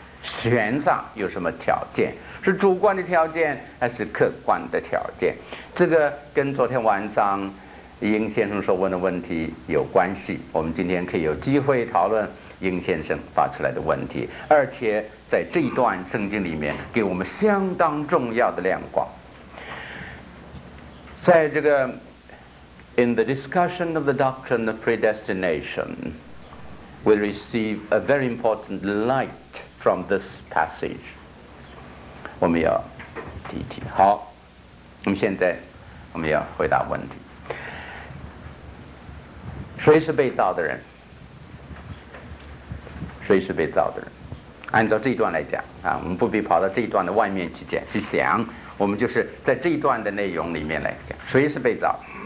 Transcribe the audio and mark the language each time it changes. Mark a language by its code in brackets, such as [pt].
[zh] 悬赏有什么条件？是主观的条件还是客观的条件？这个跟昨天晚上英先生所问的问题有关系，我们今天可以有机会讨论英先生发出来的问题，而且在这一段圣经里面给我们相当重要的亮光。在这个 [en] In the discussion of the doctrine of predestination, we receive a very important light from this passage. [zh] 我们要提一提。好，我们现在我们要回答问题，谁是被造的人？谁是被造的人。按照这一段来讲啊，我们不必跑到这一段的外面去讲去想，我们就是在这一段的内容里面来讲，谁是被造。